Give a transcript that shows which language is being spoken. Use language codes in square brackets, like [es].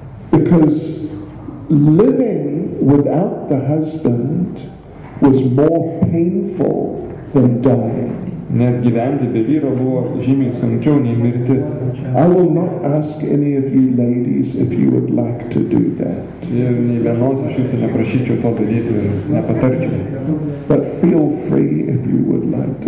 [en] Because living without the husband was more painful than dying. [lt] Nes gyventi be vyro buvo žymiai sunkiau nei mirtis. [en] I will not ask any of you ladies if you would like to do that. [lt] Ir nei vienos iš jūsų neprašyčiau to daryti ir nepatarčiau. [en] But feel free if you would like to.